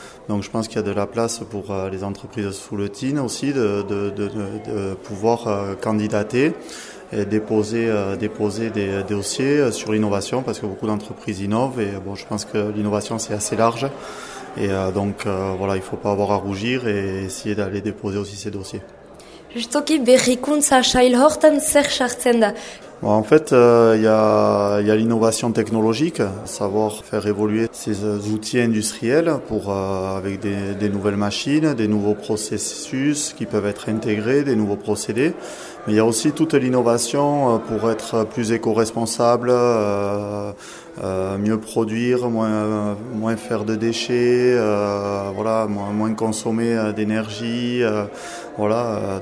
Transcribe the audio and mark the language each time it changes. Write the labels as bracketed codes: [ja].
[fr] Donc je pense qu'il y a de la place pour les entreprises souletines aussi de pouvoir candidater et déposer des dossiers sur l'innovation, parce que beaucoup d'entreprises innovent, et bon, je pense que l'innovation c'est assez large, et donc voilà, il faut pas avoir à rougir et essayer d'aller déposer aussi ces dossiers. [eu] Justoki berrikuntza sail hortan zer sartzen da? [fr] En fait, il y a l'innovation technologique, savoir faire évoluer ces outils industriels pour avec des nouvelles machines, des nouveaux processus qui peuvent être intégrés, des nouveaux procédés. Mais il y a aussi toute l'innovation pour être plus éco-responsable, mieux produire, moins faire de déchets, voilà, moins consommer d'énergie, voilà.